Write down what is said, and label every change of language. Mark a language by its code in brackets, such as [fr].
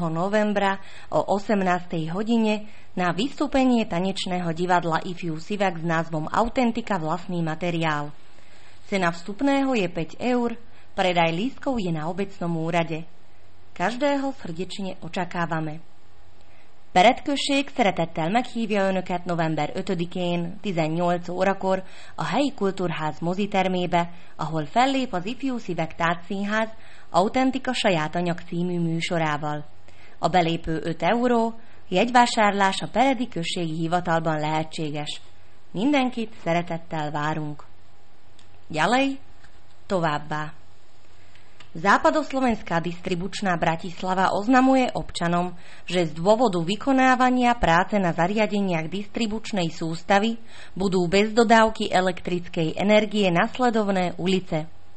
[sk] novembra o 18. hodine na vystúpenie tanečného divadla IFU Sivak s názvom Autentika vlastný materiál. Cena vstupného je 5 eur, predaj lístkov je na obecnom úrade. Každého srdečne očakávame. [hu] Beretkösség, szeretettel meghívja Önöket november 5-én 18 órakor a helyi kultúrház mozitermébe, ahol fellép az Ifjú Szívek Tátszínház Autentika saját anyag című műsorával. A belépő 5 euró, jegyvásárlás a Peredi Községi Hivatalban lehetséges. Mindenkit szeretettel várunk. Gyalej, továbbá! [sk] Západoslovenská distribučná Bratislava oznamuje občanom, že z dôvodu vykonávania práce na zariadeniach distribučnej sústavy budú bez dodávky elektrickej energie nasledovné ulice.